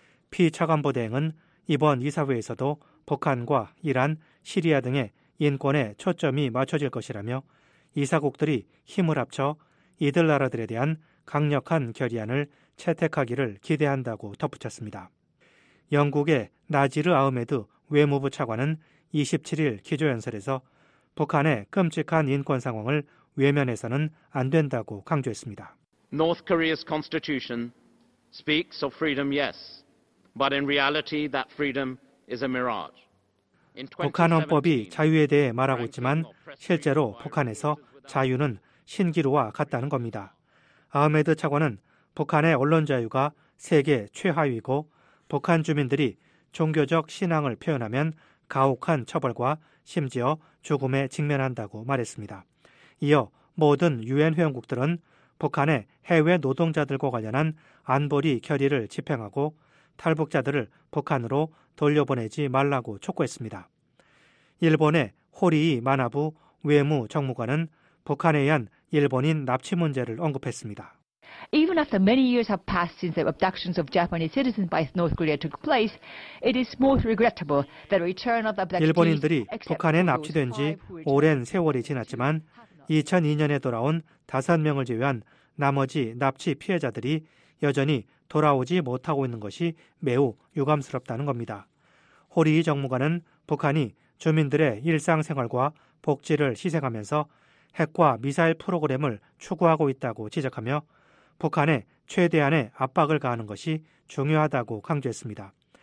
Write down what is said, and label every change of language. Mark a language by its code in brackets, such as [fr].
[ko] 피 차관보대행은 이번 이사회에서도 북한과 이란, 시리아 등의 인권에 초점이 맞춰질 것이라며 이사국들이 힘을 합쳐 이들 나라들에 대한 강력한 결의안을 채택하기를 기대한다고 덧붙였습니다. 영국의 나지르 아흐메드 외무부 차관은 27일 기조연설에서 북한의 끔찍한 인권 상황을 외면해서는 안 된다고 강조했습니다. [en] North Korea's constitution speaks of freedom, yes, but in reality that freedom is a mirage. [ko] 북한 헌법이 자유에 대해 말하고 있지만 실제로 북한에서 자유는 신기루와 같다는 겁니다. 아흐메드 차관은 북한의 언론 자유가 세계 최하위고 북한 주민들이 종교적 신앙을 표현하면 가혹한 처벌과 심지어 죽음에 직면한다고 말했습니다. 이어 모든 유엔 회원국들은 북한의 해외 노동자들과 관련한 안보리 결의를 집행하고 탈북자들을 북한으로 돌려보내지 말라고 촉구했습니다. 일본의 호리이 만화부 외무 정무관은 북한에 의한 일본인 납치 문제를 언급했습니다. [en] Even after many years have passed since the abductions of Japanese citizens by North Korea took place, it is most regrettable that the return of the abductees. [ko] 일본인들이 북한에 납치된 지 오랜 세월이 지났지만 2002년에 돌아온 다섯 명을 제외한 나머지 납치 피해자들이 여전히 돌아오지 못하고 있는 것이 매우 유감스럽다는 겁니다. 호리이 정무관은 북한이 주민들의 일상생활과 복지를 희생하면서 핵과 미사일 프로그램을 추구하고 있다고 지적하며 북한에 최대한의 압박을 가하는 것이 중요하다고 강조했습니다.